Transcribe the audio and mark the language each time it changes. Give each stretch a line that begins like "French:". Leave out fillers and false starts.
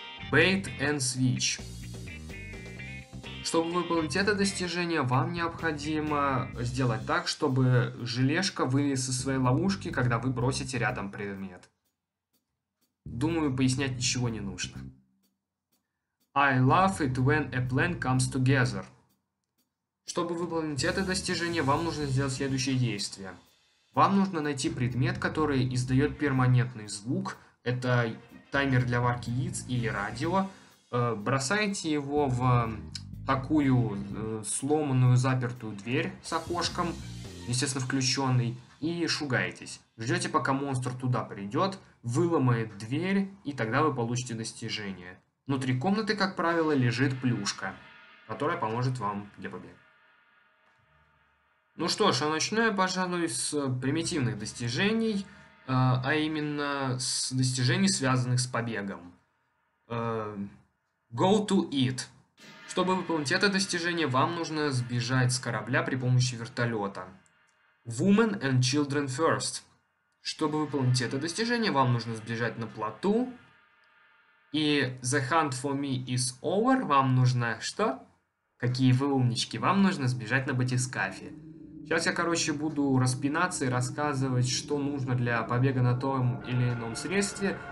English: Bait and switch.
Russian: Чтобы выполнить это достижение, вам необходимо сделать так, чтобы желешка вылез из своей ловушки, когда вы бросите рядом предмет. Думаю, пояснять ничего не нужно.
English: I love it when a plan comes together.
Russian: Чтобы выполнить это достижение, вам нужно сделать следующее действие. Вам нужно найти предмет, который издает перманентный звук. Это таймер для варки яиц или радио. Бросайте его в такую сломанную запертую дверь с окошком, естественно, включенный, и шугаетесь. Ждете, пока монстр туда придет, выломает дверь, и тогда вы получите достижение. Внутри комнаты, как правило, лежит плюшка, которая поможет вам для побега. Ну что ж, а начну я, пожалуй, с примитивных достижений, а именно с достижений, связанных с побегом.
English: Go to it.
Russian: Чтобы выполнить это достижение, вам нужно сбежать с корабля при помощи вертолета.
English: Women and children first.
Russian: Чтобы выполнить это достижение, вам нужно сбежать на плоту.
English: И the hunt for me is over.
Russian: Вам нужно что? Какие вы умнички. Вам нужно сбежать на батискафе. Сейчас я, короче, буду распинаться и рассказывать, что нужно для побега на том или ином средстве.